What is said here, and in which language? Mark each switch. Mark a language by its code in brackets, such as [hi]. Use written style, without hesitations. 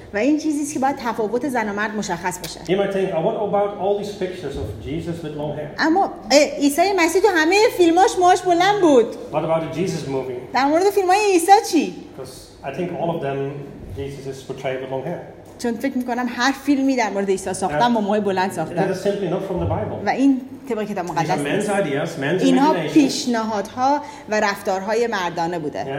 [fa] و این چیزیه که باید تفاوت زن و مرد مشخص بشه. [en] You might think, what about all these pictures of Jesus with long hair? [fa] اما عیسی مسیح تو همه فیلماش موهاش بلند بود. [en] What about the Jesus movie? [fa] در مورد فیلمای عیسی چی؟ [en] Because I think all of them Jesus is portrayed with long hair. [fa] چون فکر میکنم هر فیلمی در مورد عیسی ساختن با موهای بلند ساختن. [en] That is simply not from the Bible. [fa] و این طبق کتاب مقدس نیست. اینها پیشنهادها و رفتارهای مردانه بوده.